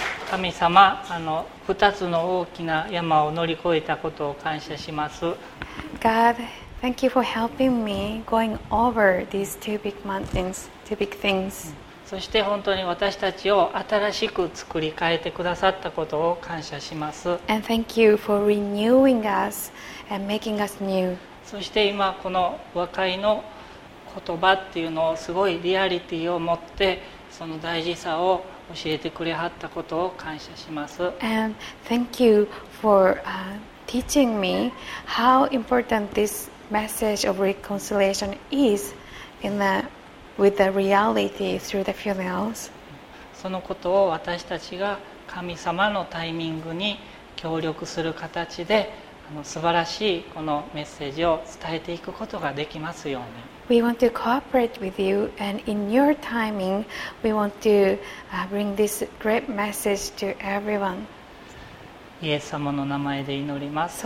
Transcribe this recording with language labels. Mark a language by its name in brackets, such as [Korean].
[Japanese] 神様、2つの大きな山を乗り越えたことを感謝します。 [English] GodThank you for helping me going over these two big mountains, two big things. [Japanese] そして本当に私たちを新しく作り変えてくださったことを感謝します。 [English] And thank you for renewing us and making us new. [Japanese] そして今この和解の言葉っていうのをすごいリアリティを持ってその大事さを教えてくれはったことを感謝します。 [English] And thank you for teaching me how important this message of reconciliation is in the, with the reality through the funerals. [Japanese] そのことを私たちが神様のタイミングに協力する形で素晴らしいこのメッセージを伝えていくことができますように。 [English] We want to cooperate with you, and in your timing, we want to bring this great message to everyone. [Japanese] イエス様の名前で祈ります。